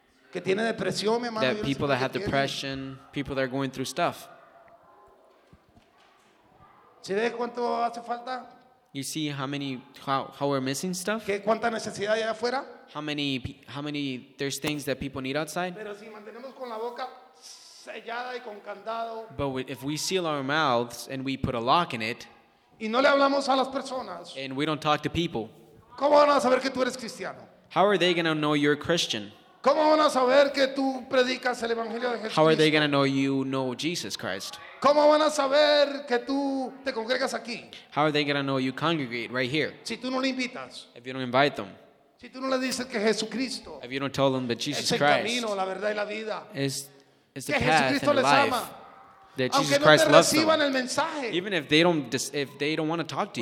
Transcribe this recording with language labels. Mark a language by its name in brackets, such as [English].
[Spanish] que tiene depresión, mi [English] that people that have depression, people that are going through stuff. [Spanish] ¿Sí ves cuánto hace falta? [English] You see how we're missing stuff? [Spanish] ¿Qué cuánta necesidad hay afuera? [English] How many there's things that people need outside? [Spanish] Pero si mantenemos con la boca sellada y con candado. [English] But if we seal our mouths and we put a lock in it. [Spanish] Y no le hablamos a las personas. [English] And we don't talk to people. [Spanish] ¿Cómo van a saber que tú eres cristiano? [English] How are they going to know you're Christian? [Spanish] ¿Cómo van a saber que tú predicas el evangelio de Jesucristo? [English] How are they going to know you know Jesus Christ? [Spanish] ¿Cómo van a saber que tú te congregas aquí? [English] How are they going to know you congregate right here? [Spanish] Si tú no le invitas. [English] If you don't invite them. [Spanish] Si tú no le dices que Jesucristo, [English] if you don't tell them that Jesus Christ [Spanish] camino, la verdad y la vida, [English] is the path [Spanish] Jesucristo [English] and the life, ama, that Jesus Christ loves them, even if they don't want to talk to